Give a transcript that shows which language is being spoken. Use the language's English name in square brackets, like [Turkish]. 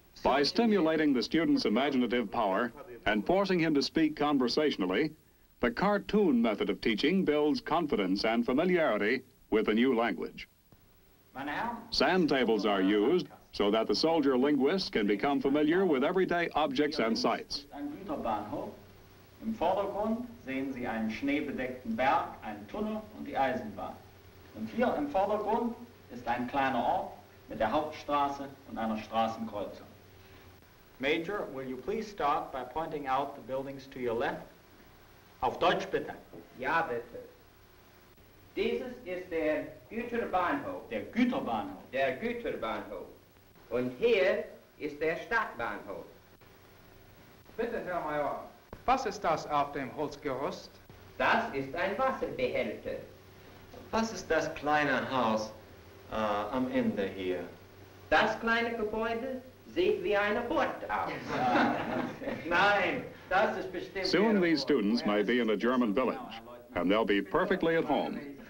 [English] By stimulating the student's imaginative power and forcing him to speak conversationally, the cartoon method of teaching builds confidence and familiarity with a new language. Sand tables are used so that the soldier linguist can become familiar with everyday objects and sights. [German] Ein Güterbahnhof. Im Vordergrund sehen Sie einen schneebedeckten Berg, einen Tunnel und die Eisenbahn. Und hier im Vordergrund ist ein kleiner Ort mit der Hauptstraße und einer Straßenkreuzung. [English] Major, will you please start by pointing out the buildings to your left? [German] Auf Deutsch bitte. Ja, bitte. Dieses ist der Güterbahnhof. Der Güterbahnhof. Der Güterbahnhof. Und hier ist der Stadtbahnhof. Bitte, Herr Major. Was ist das auf dem Holzgerüst? Das ist ein Wasserbehälter. Was ist das kleine Haus? Am Ende hier. Das kleine Gebäude sieht wie eine Burt aus. Nein, das ist bestimmt... [English] Soon these students may be in a German village, and they'll be perfectly at home.